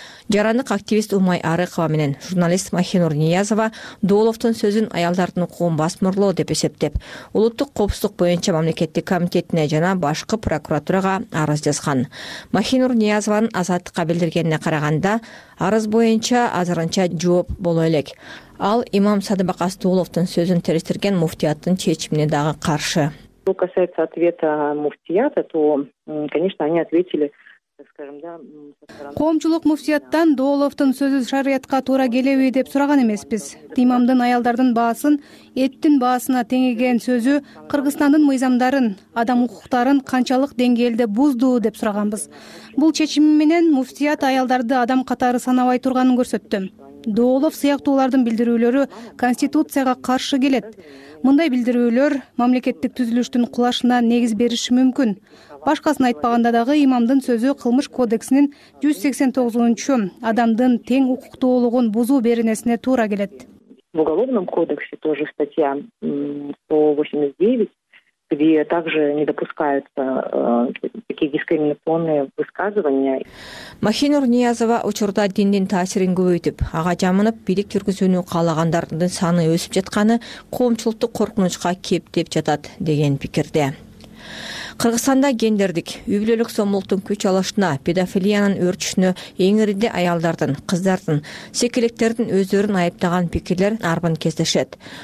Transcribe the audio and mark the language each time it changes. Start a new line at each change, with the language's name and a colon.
Kyrgyz: Жарандык активист Умай Арыкова менен журналист Махинур Ниязова Дооловдун сөзүн аялдардын укугун басмырлоо деп эсептеп, улуттук коопсуздук боюнча мамлекеттик комитетине жана башкы прокуратурага арыз жазган. Махинур Ниязованын азаттыкка билдиргенине караганда, арыз боюнча азырынча жооп боло элек. Ал имам Садыбакас Дооловдун сөзүн териштирген муфтияттын чечимине дагы каршы.
Russian: Что касается ответа муфтията, то, конечно, они ответили.
Kyrgyz: Коомчулук муфтияттан Дооловдун сөзү шарыятка туура келеби деп сураган эмеспиз. Имамдын аялдардын баасын эттин баасына теңеген сөзү Кыргызстандын мыйзамдарын, адам укуктарын канчалык деңгээлде бузду деп сураганбыз. Бул чечими менен муфтият аялдарды адам катары санабай турганын көрсөттү. Доолов сыяктуулардын билдирүүлөрү конституцияга каршы келет. Мындай билдирүүлөр мамлекеттик түзүлүштүн кулашына негиз бериши мүмкүн. Башкасын айтпаганда дагы имамдын сөзү кылмыш кодексинин 189-чу адамдын тең укуктуулугун бузуу беренесине туура келет.
Russian: В уголовном кодексе тоже статья 189, где также не допускаются такие дискриминационные высказывания.
Kyrgyz: Махинур Ниязова учурда диндин таасирин көбөйтүп, ага жамынып, бийлик жүргүзүүнү каалагандардын саны өсүп жатканы коомчулуктук коркунучка кептеп жатат деген пикирде. Кыргызстанда гендердик үй-бүлөлүк зомбулуктун күч алышына, педофилиянын өрчүшүнө эңиринде аялдардын, кыздардын, секилектердин өздөрүн айыптаган пикирлер арбын кездешет.